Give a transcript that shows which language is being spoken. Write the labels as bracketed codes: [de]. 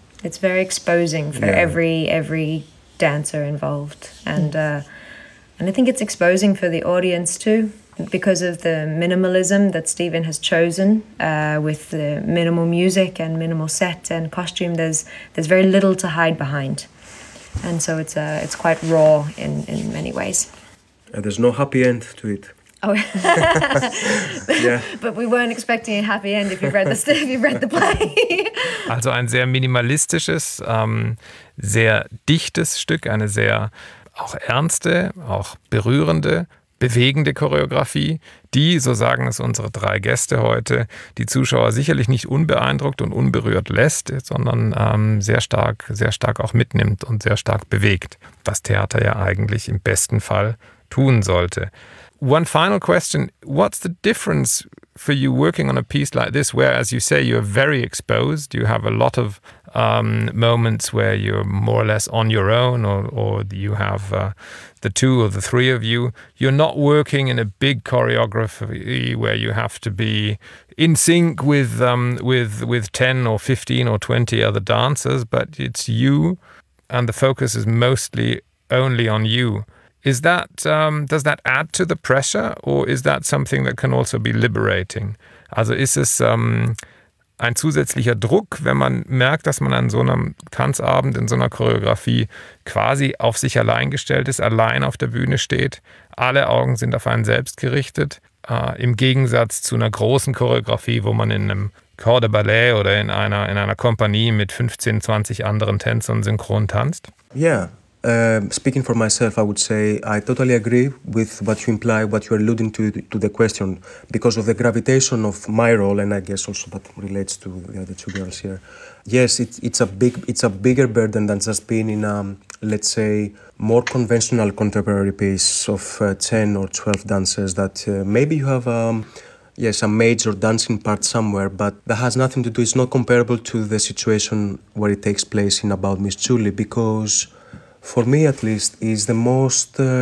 [en] it's very exposing for every dancer involved, and I think it's exposing for the audience too, because of the minimalism that Stephen has chosen with the minimal music and minimal set and costume. There's very little to hide behind, and so it's quite raw in many ways. There's no happy end to it. Oh, yeah. But we weren't expecting a happy end if you read the play. [de] Also ein sehr minimalistisches, sehr dichtes Stück, eine sehr auch ernste, auch berührende, bewegende Choreografie, die, so sagen es unsere drei Gäste heute, die Zuschauer sicherlich nicht unbeeindruckt und unberührt lässt, sondern sehr stark auch mitnimmt und sehr stark bewegt, was Theater ja eigentlich im besten Fall tun sollte. [en] One final question. What's the difference for you working on a piece like this, where, as you say, you're very exposed, you have a lot of moments where you're more or less on your own, or you have the two or the three of you. You're not working in a big choreography where you have to be in sync with 10 or 15 or 20 other dancers, but it's you, and the focus is mostly only on you. Is that does that add to the pressure, or is that something that can also be liberating? [de] Also ist es ein zusätzlicher Druck, wenn man merkt, dass man an so einem Tanzabend in so einer Choreografie quasi auf sich allein gestellt ist, allein auf der Bühne steht, alle Augen sind auf einen selbst gerichtet, im Gegensatz zu einer großen Choreografie, wo man in einem Corps de Ballet oder in einer Kompanie mit 15, 20 anderen Tänzern synchron tanzt? Yeah. [en] Speaking for myself, I would say I totally agree with what you imply, what you're alluding to the question, because of the gravitation of my role, and I guess also that relates to the other two girls here. Yes, it's a bigger burden than just being in a, let's say, more conventional contemporary piece of 10 or 12 dancers that maybe you have a major dancing part somewhere, but that has nothing to do, it's not comparable to the situation where it takes place in About Miss Julie, because for me, at least, is the most.